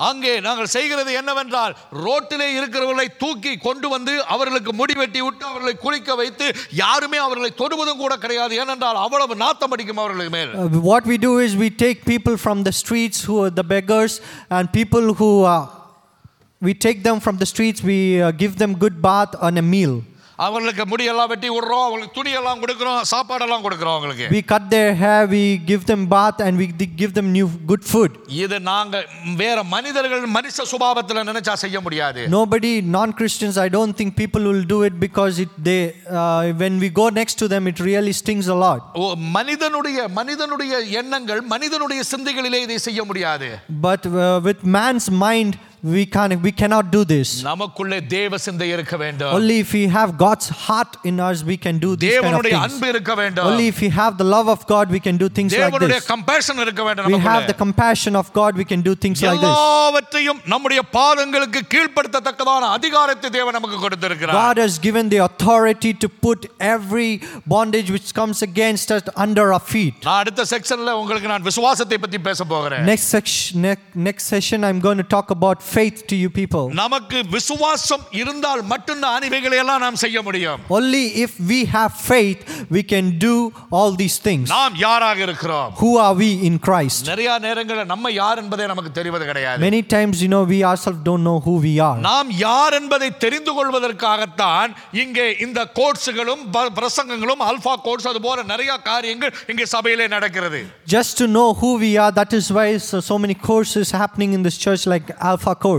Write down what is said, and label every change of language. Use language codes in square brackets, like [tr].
[en] what we do is we take people from the streets who are the beggars and people who are, we take them from the streets, we give them good bath and a meal. [ta] அவங்களுக்கு முடியெல்லாம் வெட்டி விடுறோம், அவங்களுக்கு துணி எல்லாம் கொடுக்குறோம், சாப்பாடு எல்லாம் கொடுக்குறோம் அவங்களுக்கு. [en] We cut their hair, we give them bath and we give them new good food. [ta] இது நாங்க வேற மனிதர்கள் மனித சுபாவத்துல நினைச்சா செய்ய முடியாது. [en] Nobody non Christians, I don't think people will do it because when we go next to them it really stings a lot. [ta] மனிதனுடைய எண்ணங்கள், மனிதனுடைய சிந்தைகளிலே இதை செய்ய முடியாது. [en] But with man's mind we cannot do this. [ta] நமக்குள்ளே தேவ சிந்தை இருக்க வேண்டும். [en] Only if we have God's heart in us we can do this. [ta] தேவனுடைய அன்பு இருக்க வேண்டும். [en] Only if we have the love of God we can do things like this. [ta] தேவனுடைய compassion இருக்க வேண்டும். [en] We have the compassion of God we can do things like this. [ta] எல்லாவற்றையும் நம்முடைய பாதங்களுக்கு கீழ்ப்படுத்தத்தக்கதான அதிகாரத்தை தேவன் நமக்கு கொடுத்திருக்கிறார். [en] God has given the authority to put every bondage which comes against us under our feet. [ta] நான் அடுத்த செக்ஷன்ல உங்களுக்கு நான் விசுவாசத்தை பத்தி பேச போகிறேன். [en] Next session I'm going to talk about faith to you people. [ta] நமக்கு விசுவாசம் இருந்தால் மட்டும் தான் இவைகளை எல்லாம் நாம் செய்ய முடியும். [en] Only if we have faith we can do all these things. [ta] நாம் யாராக இருக்கிறோம்? [en] Who are we in Christ? [ta] நிறைய நேரங்களில் நம்ம யார் என்பதை நமக்கு தெரிவது கிடையாது. [en] Many times you know we ourselves don't know who we are. [ta] நாம் யார் என்பதை தெரிந்து கொள்வதற்காக தான் இங்கே இந்த கோர்ஸ்களும் பிரசங்கங்களும் ஆல்பா கோர்ஸ் அது போல நிறைய காரியங்கள் இங்கே சபையிலே நடக்கிறது. [en] Just to know who we are, that is why so many courses happening in this church like Alpha.